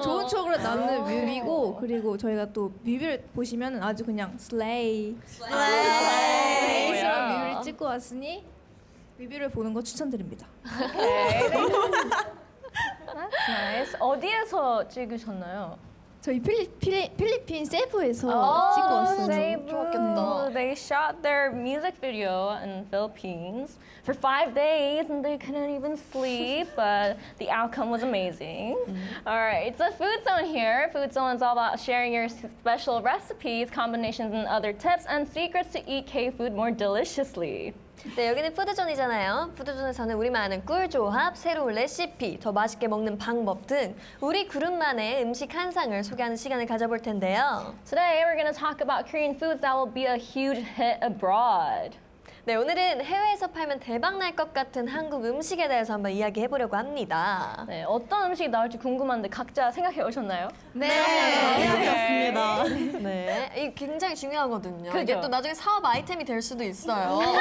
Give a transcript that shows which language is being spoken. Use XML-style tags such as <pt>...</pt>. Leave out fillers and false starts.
<ko>좋은 추억으로 남는 뮤비고 그리고 저희가 또 뮤비를 보시면 아주 그냥 슬레이 슬레이 슬레이 뮤비를 찍고 왔으니 뮤비를 보는 거 추천드립니다. 나이스. 어디에서 찍으셨나요? 저희 필리핀 세부에서 찍고 왔어요. 세부.</ko> <en>They shot their music video in Philippines for 5 days and they couldn't even sleep, but the outcome was amazing. All right, it's a food zone here. Food zone is all about sharing your special recipes, combinations, and other tips and secrets to eat K-food more deliciously.</en> <ko>네, 여기는 푸드존이잖아요. 푸드존에서는 우리만 아는 꿀조합, 새로운 레시피, 더 맛있게 먹는 방법 등 우리 그룹만의 음식 한 상을 소개하는 시간을 가져볼 텐데요.</ko> <en>Today we're going to talk about Korean foods that will be a huge hit abroad.</en> <ko>네, 오늘은 해외에서 팔면 대박 날 것 같은 한국 음식에 대해서 한번 이야기해 보려고 합니다. 네, 어떤 음식이 나올지 궁금한데 각자 생각해 오셨나요? 네, 생각했습니다. 네, 네. 네. 이 굉장히 중요하거든요. 그죠? 이게 또 나중에 사업 아이템이 될 수도 있어요.</ko>